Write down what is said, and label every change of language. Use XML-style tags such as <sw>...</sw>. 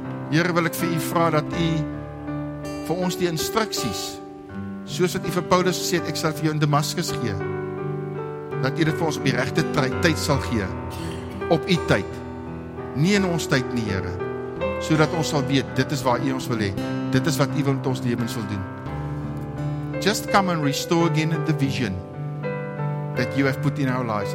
<af>Here, wil ek vir u vra dat u vir ons die instruksies, soos wat u vir Paulus gesê het, ek sal vir jou in Damascus gee, dat u dit vir ons op die regte tyd sal gee, op u tyd, nie in ons tyd nie, Here, sodat ons sal weet, dit is waar U ons wil hê. Dit is wat U wil met ons lewens wil doen.</af> <en>Just come and restore again the vision that You have put in our lives.</en>